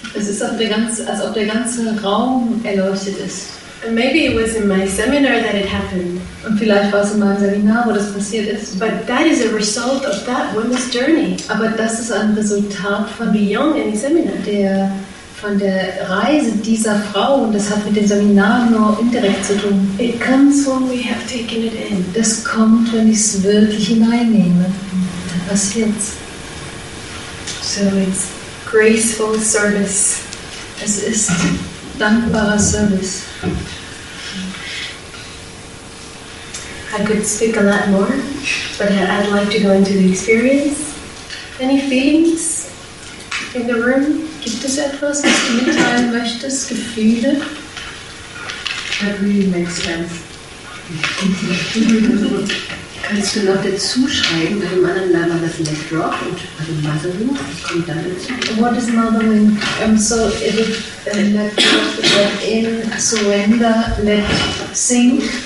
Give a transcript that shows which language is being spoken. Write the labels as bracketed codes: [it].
[de] Es ist, als ob der ganze Raum erleuchtet ist. [en] And maybe it was in my seminar that it happened. [de] Und vielleicht war es in meinem Seminar, wo das passiert ist. [en] But that is a result of that woman's journey. [de] Aber das ist ein Resultat von [en] Beyond any seminar. [de] Von der Reise dieser Frau, und das hat mit dem Seminar nur indirekt zu tun. [en] It comes when we have taken it in. Das kommt, wenn ich es wirklich hineinnehme. Dann passiert es. So it's graceful service. [de] Es ist dankbarer Service. [en] I could speak a lot more, but I'd like to go into the experience. Any feelings in the room? [de] Gibt es etwas, was du mitteilen möchtest? Gefühle? [en] That really makes sense. [de] Kannst du noch dazu schreiben, bei dem anderen Name das Leg Drop und bei dem Motherwing? Was kommt da dazu? [en] What is Motherwing? So, it is Leg Drop, Leg In, Surrender, Leg Sink.